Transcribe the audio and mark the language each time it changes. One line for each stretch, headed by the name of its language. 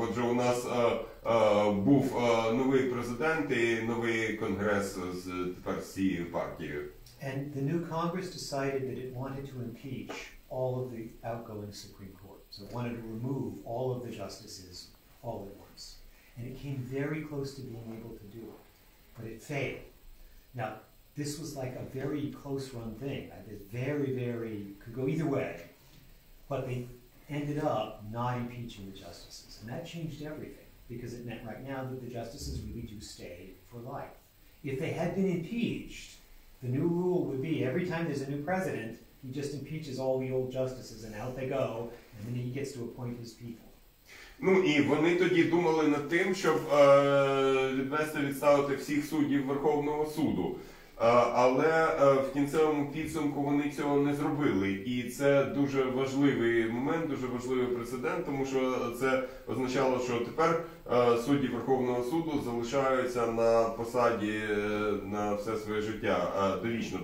Ukrainian: Отже, у нас був новий президент і новий Конгрес з тепер цією партією.
English: And the new Congress decided that it wanted to impeach all of the outgoing Supreme Court. So it wanted to remove all of the justices all at once. And it came very close to being able to do it. But it failed. Now, this was like a very close run thing. Very, could go either way. But they ended up not impeaching the justices. And that changed everything, because it meant right now that the justices really do stay for life. If they had been impeached, the new rule would be every time there's a new president, he just impeaches all the old justices and out they go, and then he gets to appoint his people.
Ukrainian: Ну і вони тоді думали над тим, щоб відвести відставити всіх суддів Верховного суду. Але в кінцевому підсумку вони цього не зробили. І це дуже важливий момент, дуже важливий прецедент, тому що це означало, що тепер судді Верховного суду залишаються на посаді на все своє життя довічно.